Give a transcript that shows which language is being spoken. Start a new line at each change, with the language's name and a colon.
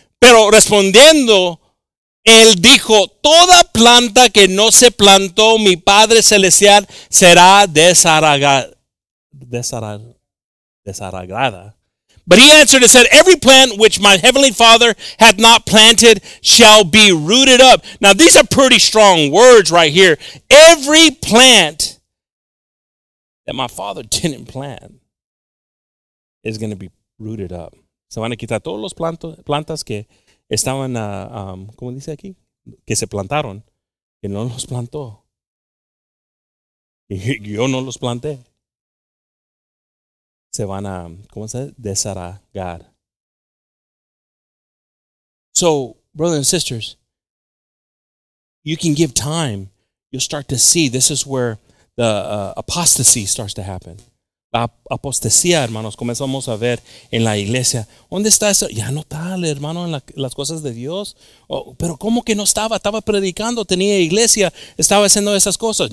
Spanish: Pero respondiendo, él dijo, toda planta que no se plantó, mi Padre Celestial, será desarraigada.
English: But he answered and said, every plant which my heavenly Father hath not planted shall be rooted up. Now, these are pretty strong words right here. Every plant that my Father didn't plant is going to be rooted up.
Spanish: Se van a quitar todos los plantas que estaban, ¿cómo dice aquí? Que se plantaron. Que no los plantó. Y yo no los planté. Se van a, ¿cómo se dice? Desarraigar.
English: So, brothers and sisters, you can give time. You'll start to see. This is where the apostasy starts to happen.
Spanish: La apostasía, hermanos, comenzamos a ver en la iglesia. ¿Dónde está eso? Ya no está el hermano en las cosas de Dios. Oh, pero ¿cómo que no estaba? Estaba predicando, tenía iglesia, estaba haciendo esas cosas.